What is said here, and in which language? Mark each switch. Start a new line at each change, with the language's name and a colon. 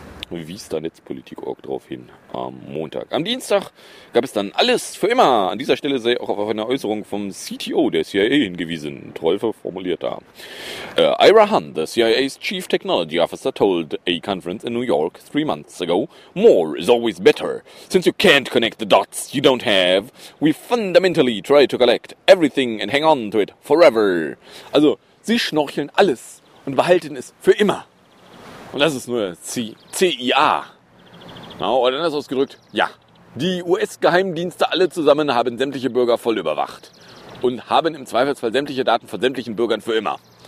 German: Wies da Netzpolitik.org drauf hin am Montag. Am Dienstag gab es dann alles für immer. An dieser Stelle sei auch auf eine Äußerung vom CTO der CIA hingewiesen. Trollfe formuliert da.
English: Ira Hunt, the CIA's Chief Technology Officer, told a conference in New York 3 months ago, more is always better. Since you can't connect the dots you don't have, we fundamentally try to collect everything and hang on to it forever.
German: Also, sie schnorcheln alles und behalten es für immer. Und das ist nur CIA. Oder anders ausgedrückt, ja, Die US-Geheimdienste alle zusammen haben sämtliche Bürger voll überwacht und haben im Zweifelsfall sämtliche Daten von sämtlichen Bürgern für immer.